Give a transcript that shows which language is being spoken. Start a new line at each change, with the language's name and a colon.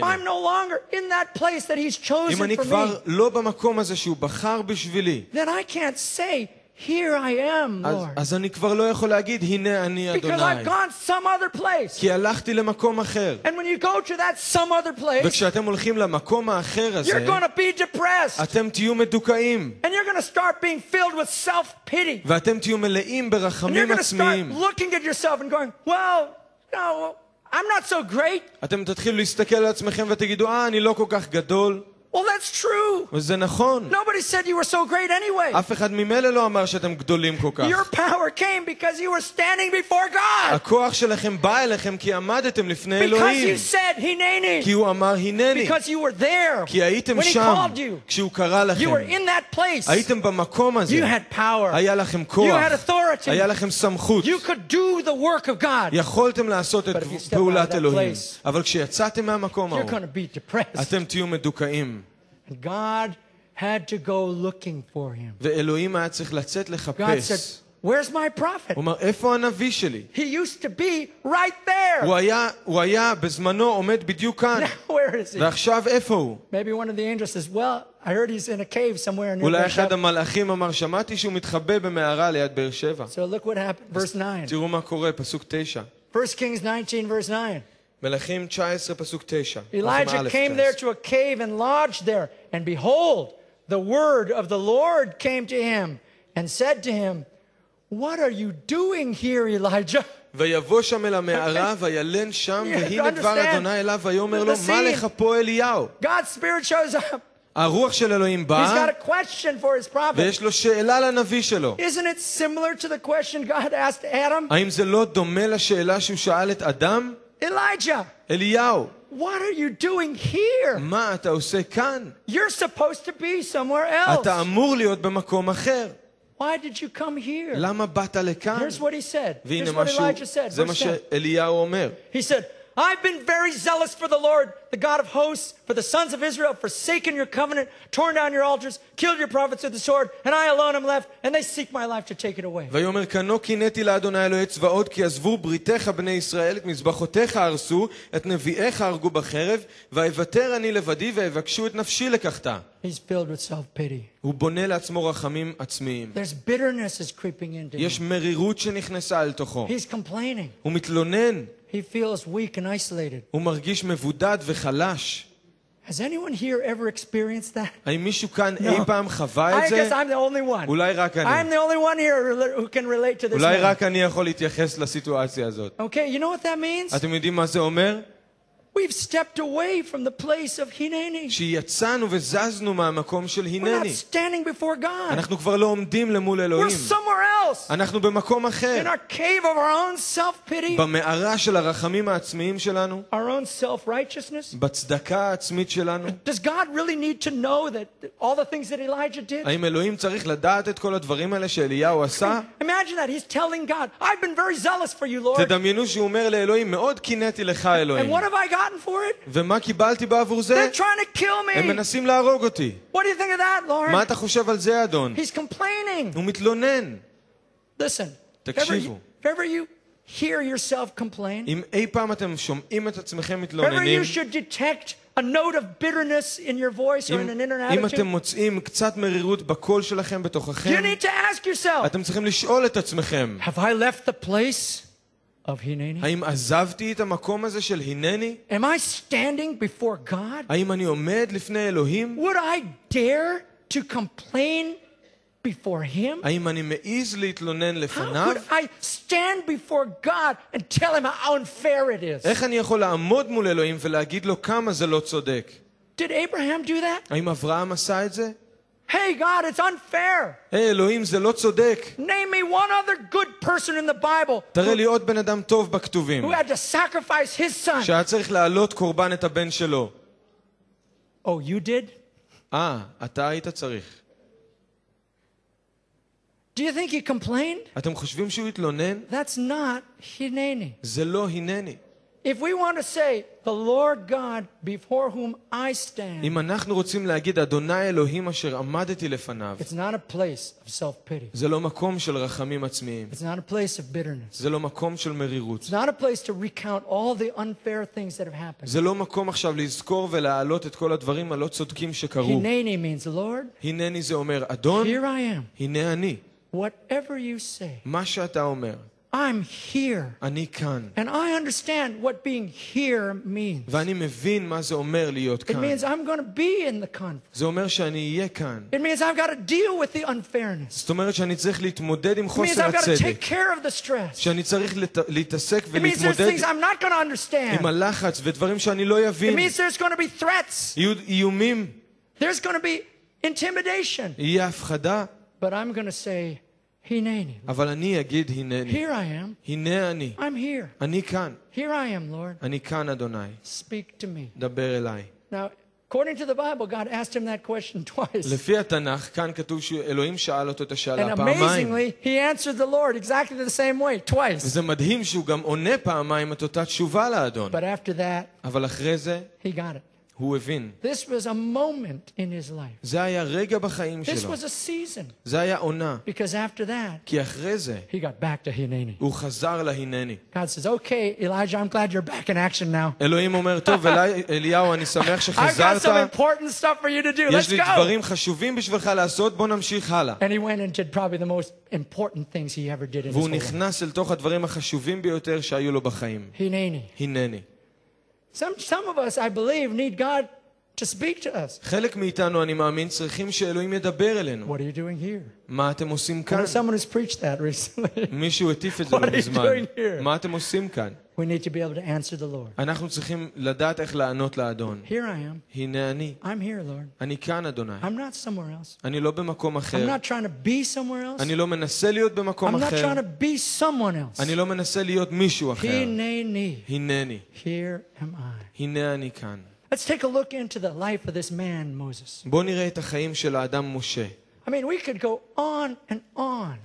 English: If I'm no longer in that place that he's chosen for me.
Hebrew: אם אני כבר לא במקום הזה שהוא בחר בשבילי.
English: Then I can't say "Here I am, Lord."
Hebrew: אז אני כבר לא יכול להגיד הנה אני אדוני.
English: Because I've gone some other place.
Hebrew: כי הלכתי למקום אחר.
English: And when you go to that some other place,
Hebrew: וכשאתם הולכים למקום האחר הזה,
English: you're going to be depressed.
Hebrew: אתם תהיו מדוכאים.
English: And you're going to start being filled with self-pity.
Hebrew: ואתם תהיו מלאים ברחמים עצמיים.
English: And you're going to start looking at yourself and going, "Well, no, I'm not so great."
Hebrew: אתם תתחילו להסתכל על עצמכם ותגידו, אני לא כל כך גדול.
English: Well, that's true.
Hebrew: וזה נכון.
English: Nobody said you were so great anyway.
Hebrew: אף אחד ממילא לא אמר שאתם גדולים כל כך.
English: Your power came because you were standing before God.
Hebrew: הכוח שלכם בא אליכם כי עמדתם לפני
English: because
Hebrew: אלוהים.
English: Because you said Hineni.
Hebrew: כי הוא אמר הינני.
English: Because you were there.
Hebrew: כי הייתם
English: when
Hebrew: שם.
English: He called you.
Hebrew: כשהוא קרא לכם.
English: You were in that place.
Hebrew: הייתם במקום הזה.
English: You had power.
Hebrew: היה לכם כוח.
English: You had authority.
Hebrew: היה לכם סמכות.
English: You could do the work of God.
Hebrew: יכולתם לעשות את פעולת אלוהים. אבל כשיצאתם מהמקום ההוא,
English: you're going to be depressed.
Hebrew: אתם תהיו מדוכאים.
English: God had to go looking for him.
Hebrew: ואלוהים היה צריך לצאת לחפש.
English: God said, "Where's my prophet?"
Hebrew: הוא אומר, איפה הנביא שלי?
English: He used to be right there.
Hebrew: הוא היה בזמנו עומד בדיוק כאן.
English: Now, where is he?
Hebrew: ועכשיו איפה הוא?
English: Maybe one of the angels says, "Well, I heard he's in a cave somewhere near."
Hebrew: אולי אחד המלאכים אמר, שמעתי שהוא מתחבא במערה ליד באר שבע.
English: So look what happened, verse 9.
Hebrew: תראו מה קורה, פסוק 9.
English: 1 Kings 19 verse 9.
Hebrew: מלאכים 19 פסוק 9.
English: Elijah came there to a cave and lodged there, and behold, the word of the Lord came to him and said to him, "What are you doing here, Elijah?"
Hebrew: ויבוא שם אל המערה וילן שם, והנה דבר אדוני אליו ויאמר לו, מה לך פה אליהו?
English: God's spirit shows up.
Hebrew: הרוח של אלוהים בא.
English: He's got a question for his prophet.
Hebrew: ויש לו שאלה לנביא שלו.
English: Isn't it similar to the question God asked Adam?
Hebrew: האם זה לא דומה לשאלה שהוא שאל את אדם?
English: Elijah.
Hebrew: אליהו.
English: What are you doing here?
Hebrew: מה אתה עושה כאן?
English: You're supposed to be somewhere else.
Hebrew: אתה אמור להיות במקום אחר.
English: Why did you come here?
Hebrew: למה באת לכאן?
English: Here's what he said. Here's what Elijah said.
Hebrew: זה מה שאליהו אומר.
English: He said, "I've been very zealous for the Lord, the God of hosts, for the sons of Israel, forsaken your covenant, torn down your altars, killed your prophets with the sword, and I alone am left, and they seek my life to take it away."
Hebrew: ויאמר כנו קינאתי לאדוני אלוהי צבאות, כי עזבו בריתך בני ישראל, את מזבחותיך הרסו, את נביאיך הרגו בחרב, ואוותר אני לבדי, ואבקשו את נפשי לקחתה.
English: He's filled with self-pity.
Hebrew: הוא בונה לעצמו רחמים עצמיים.
English: There's bitterness is creeping into him.
Hebrew: יש מרירות שנכנסה אל תוכו.
English: He's complaining.
Hebrew: הוא מתלונן.
English: He feels weak and isolated.
Hebrew: הוא מרגיש מבודד וחלש.
English: Has anyone here ever experienced that?
Hebrew: האם מישהו כאן אי פעם חווה את זה?
English: I guess I'm the only one.
Hebrew: אולי רק אני.
English: I'm the only one here who can relate to this.
Hebrew: אולי רק אני יכול להתייחס לסיטואציה הזאת.
English: Okay, you know what that means?
Hebrew: אתם יודעים מה זה אומר?
English: We've stepped away from the place of Hineni.
Hebrew: שיצאנו וזזנו מהמקום של הינני.
English: We're not standing before God.
Hebrew: אנחנו כבר לא עומדים למול אלוהים.
English: We're somewhere else.
Hebrew: אנחנו במקום אחר.
English: In our cave of our own self-pity.
Hebrew: במערה של הרחמים העצמיים שלנו.
English: Our own self-righteousness.
Hebrew: בצדקה העצמית שלנו.
English: Does God really need to know that all the things that Elijah did?
Hebrew: האם אלוהים צריך לדעת את כל הדברים האלה שאליהו עשה?
English: Imagine that he's telling God, "I've been very zealous for you, Lord."
Hebrew: תדמיינו שהוא אומר לאלוהים, "מאוד קינאתי לך, אלוהים."
English: And what have I got? For it?
Hebrew: ומה קיבלתי בעבור זה?
English: They're trying to kill me.
Hebrew: הם מנסים להרוג אותי.
English: What do you think of that, Lord?
Hebrew: מה אתה חושב על זה, אדון?
English: He's complaining.
Hebrew: הוא מתלונן.
English: Listen.
Hebrew: תקשיבו.
English: Whenever you hear yourself complain,
Hebrew: אם אי פעם אתם שומעים את עצמכם מתלוננים,
English: whenever you should detect a note of bitterness in your voice or in an inner attitude,
Hebrew: אם אתם מוצאים קצת מרירות בקול שלכם בתוככם,
English: you need to ask yourself.
Hebrew: אתם צריכים לשאול את עצמכם.
English: Have I left the place? Of Hineni?
Hebrew: האם עזבתי את המקום הזה של הינני?
English: Am I standing before God?
Hebrew: האם אני עומד לפני אלוהים?
English: Would I dare to complain before him?
Hebrew: האם אני מעז להתלונן לפניו?
English: How could I stand before God and tell him how unfair it is?
Hebrew: איך אני יכול לעמוד מול אלוהים ולהגיד לו כמה זה לא צודק?
English: Did Abraham do that?
Hebrew: האם אברהם עשה את זה?
English: Hey God, it's unfair.
Hebrew: Hey Elohim, זה לא צודק.
English: Name me one other good person in the Bible.
Hebrew: תראה לי עוד בן אדם טוב בכתובים.
English: Who had to sacrifice his son?
Hebrew: שהיה צריך להעלות קורבן את הבן שלו.
English: Oh, you did?
Hebrew: אתה היית צריך.
English: Do you think he complained?
Hebrew: אתם חושבים שהוא התלונן?
English: That's not Hineni.
Hebrew: זה לא הינני.
English: If we want to say the Lord God before whom I stand.
Hebrew: אם אנחנו רוצים להגיד אדוני אלוהים אשר עמדתי לפניו.
English: It's not a place of self-pity.
Hebrew: זה לא מקום של רחמים עצמיים.
English: It's not a place of bitterness.
Hebrew: זה לא מקום של מרירות.
English: It's not a place to recount all the unfair things that have happened.
Hebrew: זה לא מקום עכשיו לזכור ולהעלות את כל הדברים הלא צודקים שקרו.
English: Hineni means Lord.
Hebrew: הינני זה אומר אדון.
English: Here I am.
Hebrew: הנה אני.
English: Whatever you say.
Hebrew: מה שאתה אומר.
English: I'm here.
Hebrew: אני כאן.
English: And I understand what being here means.
Hebrew: ואני מבין מה זה אומר להיות כאן.
English: It means I'm going to be in the conflict.
Hebrew: זה אומר שאני אהיה כאן.
English: It means I've got to deal with the unfairness.
Hebrew: זאת אומרת שאני צריך להתמודד עם חוסר הצדק.
English: It means I've got to take care of the stress.
Hebrew: שאני צריך להתעסק ולהתמודד.
English: It means there's things I'm not going to understand.
Hebrew: עם הלחץ ודברים שאני לא אבין.
English: It means there's going to be threats.
Hebrew: יהיו איומים.
English: There's going to be intimidation.
Hebrew: יהיה הפחדה.
English: But I'm going to say Hineni.
Hebrew: אבל אני אגיד הינני.
English: Here I am.
Hebrew: הנה אני.
English: I'm here.
Hebrew: אני כאן.
English: Here I am, Lord.
Hebrew: אני כאן, אדוני.
English: Speak to me.
Hebrew: דבר אליי.
English: Now, according to the Bible, God asked him that question twice.
Hebrew: לפי התנך, כאן כתוב שאלוהים שאל אותו את השאלה פעמיים.
English: And amazingly, he answered the Lord exactly the same way, twice.
Hebrew: וזה מדהים שהוא גם עונה פעמיים את אותה תשובה לאדון.
English: But after that,
Hebrew: אבל אחרי זה,
English: he got it.
Hebrew: הוא הבין.
English: This was a moment in his life.
Hebrew: זה היה רגע בחיים
English: This
Hebrew: שלו.
English: Was a season.
Hebrew: זה היה עונה.
English: Because after that,
Hebrew: כי אחרי זה,
English: he got back to Hineni.
Hebrew: הוא חזר להינני.
English: God says, "Okay, Elijah, I'm glad you're back in action now."
Hebrew: אלוהים אומר, "טוב, אליהו, אני שמח שחזרת."
English: I've got some important stuff for you to do. Let's go.
Hebrew: יש לי דברים חשובים בשבילך לעשות, בוא נמשיך הלאה.
English: And he went and did probably the most important things he ever did in his life.
Hebrew: והוא נכנס אל תוך הדברים החשובים ביותר שהיו לו בחיים. Hineni. Hineni.
English: Some of us, I believe, need God to speak to us.
Hebrew: חלק מאיתנו אני מאמין צריכים שאלוהים ידבר אלינו.
English: What are you doing here?
Hebrew: מה אתם עושים כאן?
English: Someone has preached that recently.
Hebrew: מישהו הטיף את זה לא מזמן.
English: What are you doing here?
Hebrew: מה אתם עושים כאן?
English: We need to be able to answer the Lord.
Hebrew: אנחנו צריכים לדעת איך לענות לאדון.
English: Here I am.
Hebrew: הנה אני.
English: I'm here, Lord.
Hebrew: אני כאן, אדוני.
English: I'm not somewhere else.
Hebrew: אני לא במקום אחר.
English: I'm not trying to be somewhere else.
Hebrew: אני לא מנסה להיות במקום אחר.
English: I'm not trying to be someone else.
Hebrew: אני לא מנסה להיות מישהו אחר. הנני. הנני.
English: Here am I.
Hebrew: הנה אני כאן.
English: Let's take a look into the life of this man, Moses.
Hebrew: בוא נראה את החיים של האדם משה.
English: I mean, we could go on and on.